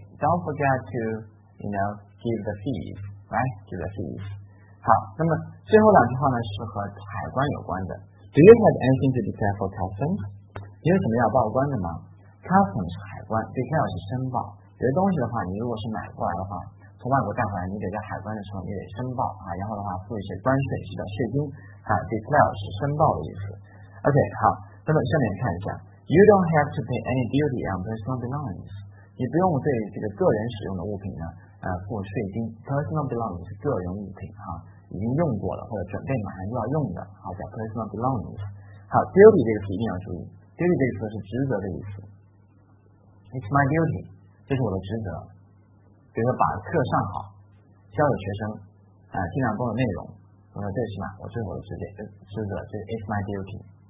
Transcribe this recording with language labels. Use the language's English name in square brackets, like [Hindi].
[English] Don't forget to, you know, give the fees, right? Give the fees. [Chinese] 好，那么最后两句话呢是和海关有关的。 [English] Do you have anything to declare for customs? [Chinese] 你有什么要报关的吗？Customs 是海关， declare 是申报。有些东西的话，你如果是买过来的话，从外国带回来，你得在海关的时候你得申报啊，然后的话付一些关税式的税金啊。 Declare 是申报的意思。 OK， 好，那么下面看一下。 [English] You don't have to pay any duty on personal belongings. [Chinese] 你不用对这个个人使用的物品呢，付税金。 Personal belongings 是个人物品啊，已经用过了或者准备马上就要用的，好叫 personal belongings。好 ，duty 这个词一定要注意 ，duty 这个词是职责的意思。 [English] It's my duty， [Chinese] 这是我的职责。比如说把课上好，教给学生，尽量多的内容，我说这是嘛，我最后的职责，这是 it's my duty。